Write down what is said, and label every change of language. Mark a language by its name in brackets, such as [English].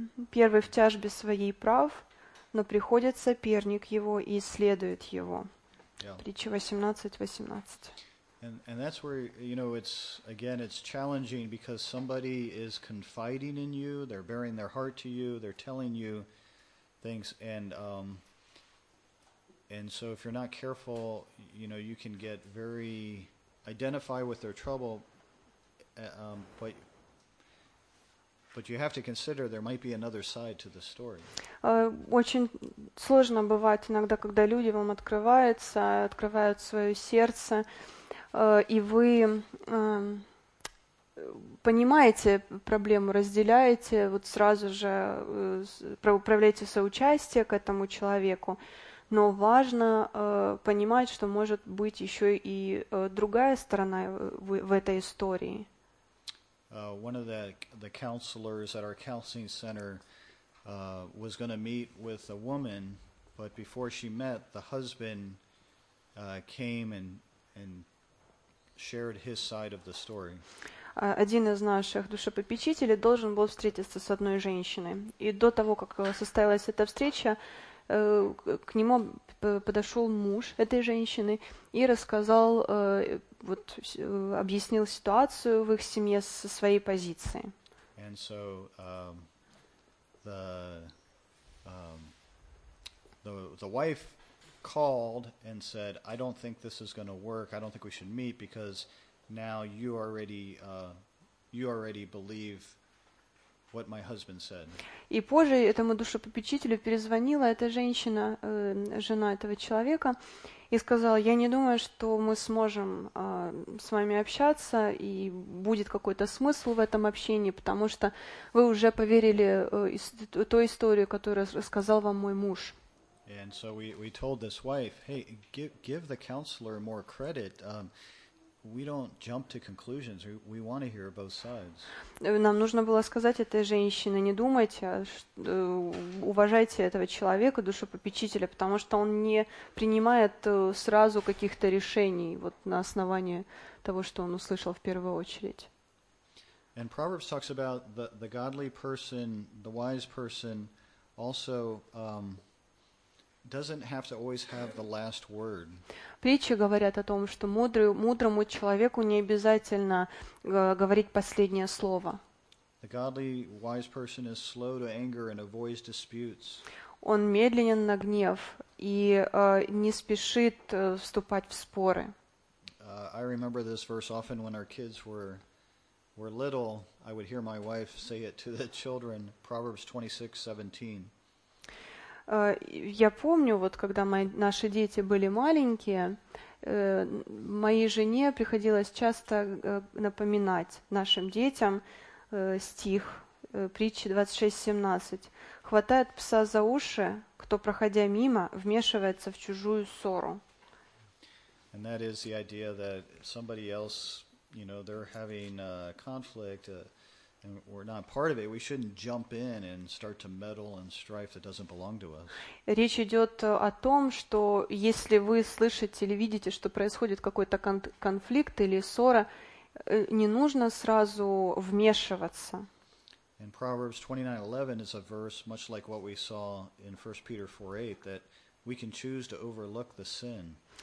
[Russian] Первый в тяжбе своей прав, но приходит соперник его и исследует его. Притча 18:18. [English] And that's where, you know, it's again, it's challenging because somebody is confiding in you, they're bearing their heart to you, they're telling you things, and so if you're not careful, you know, you can get very identify with their trouble, But you have to consider there might be another side to the story. [Russian] Очень сложно бывает иногда, когда люди вам открывают свое сердце, и вы понимаете проблему, разделяете, вот сразу же проявляете соучастие к этому человеку. Но важно понимать, что может быть еще и другая сторона в этой истории. [English] One of the counselors at our counseling center was going to meet with a woman, but before she met, the husband came and shared his side of the story. [Russian] Один из наших душепопечителей должен был встретиться с одной женщиной. И до того, как состоялась эта встреча, к нему подошел муж этой женщины и рассказал, вот объяснил ситуацию в их семье со своей позиции. [English] And so the wife called and said, I don't think this is going to work. I don't think we should meet because now you already believe what my husband said. [Russian] И позже этому душепопечителю перезвонила эта женщина, жена этого человека, и сказала: я не думаю, что мы сможем с вами общаться, и будет какой-то смысл в этом общении, потому что вы уже поверили той истории, которую рассказал вам мой муж. [English] And so we told this wife, hey, give the counselor more credit. We don't jump to conclusions. We want to hear both sides. [Russian] Нам нужно было сказать этой женщине: не думайте, уважайте этого человека, душепопечителя, потому что он не принимает сразу каких-то решений вот на основании того, что он услышал в первую очередь. [English] And Proverbs talks about the godly person, the wise person, also doesn't have to always have the last word. [Russian] Притчи говорят о том, что мудрому человеку не обязательно говорить последнее слово. [English] The godly, wise person is slow to anger and avoids disputes. [Russian] Он медленен на гнев и не спешит вступать в споры. [English] I remember this verse often when our kids were little. I would hear my wife say it to the children. Proverbs 26:17. [Russian] Я помню, вот когда наши дети были маленькие, моей жене приходилось часто напоминать нашим детям стих притчи 26:17. Хватает пса за уши, кто, проходя мимо, вмешивается в чужую ссору. [English] And that is the idea that somebody else, you know, they're having a conflict, and we're not part of it. We shouldn't jump in and start to meddle in strife that doesn't belong to us. [Russian] Речь идет о том, что если вы слышите или видите, что происходит какой-то конфликт или ссора, не нужно сразу вмешиваться. [English] In Proverbs 29:11 is a verse much like what we saw in 1 Peter 4:8 that we can choose to overlook the sin.